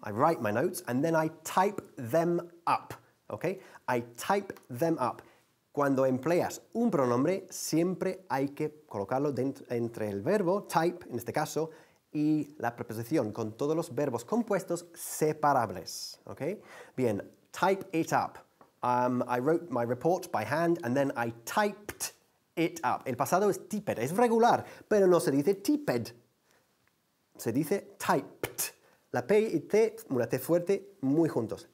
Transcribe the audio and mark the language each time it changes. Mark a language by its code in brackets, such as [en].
[en] I write my notes, and then I type them up. Okay? I type them up. [es] Cuando empleas un pronombre, siempre hay que colocarlo entre el verbo, type, en este caso, y la preposición, con todos los verbos compuestos separables. [en] Okay? Bien, type it up. I wrote my report by hand, and then I typed it up. [es] El pasado es typed, es regular, pero no se dice typed. Se dice typed. La P y T, una T fuerte, muy juntos.